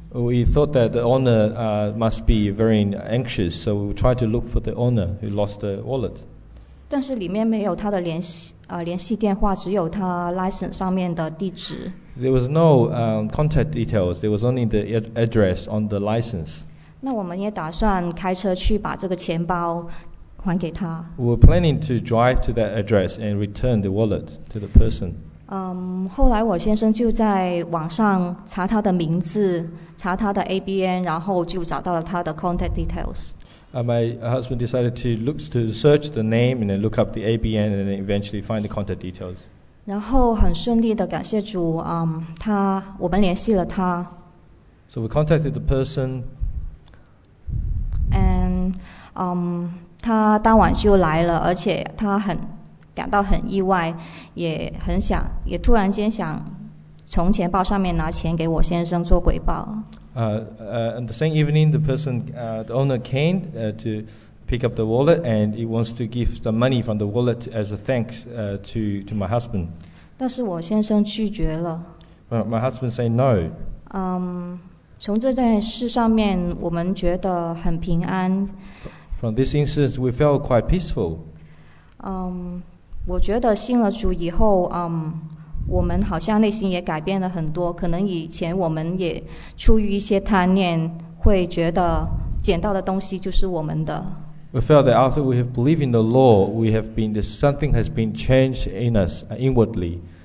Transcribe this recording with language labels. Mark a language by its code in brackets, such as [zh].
[en] We thought that the owner must be very anxious, so we tried to look for the owner who lost the wallet. [zh] 但是里面没有他的联系电话，只有他 license 上面的地址。 [en] There was no contact details. There was only the address on the license. [zh] 那我们也打算开车去把这个钱包还给他。 [en] We were planning to drive to that address and return the wallet to the person. [zh] 后来我先生就在网上查他的名字，查他的 ABN， 然后就找到了他的 [en] contact details. My husband decided to search the name and then look up the ABN and then eventually find the contact details. [zh] 然后很顺利的感谢主他我们联系了他。 [en] So we contacted the person. [zh] And 他当晚就来了，而且他感到很意外，也突然间想从钱包上面拿钱给我先生做回报。 [en] And the same evening, the owner came to pick up the wallet and he wants to give the money from the wallet as a thanks to my husband. [zh] 但是我先生拒绝了。 [en] My husband said no. [zh] 从这件事上面我们觉得很平安。 [en] From this instance, we felt quite peaceful. [zh] 我觉得信了主以后我们好像内心也改变了很多，可能以前我们也出于一些贪念会觉得捡到的东西就是我们的。 [en] We felt that after we have believed in the law, we have been, something has been changed in us inwardly.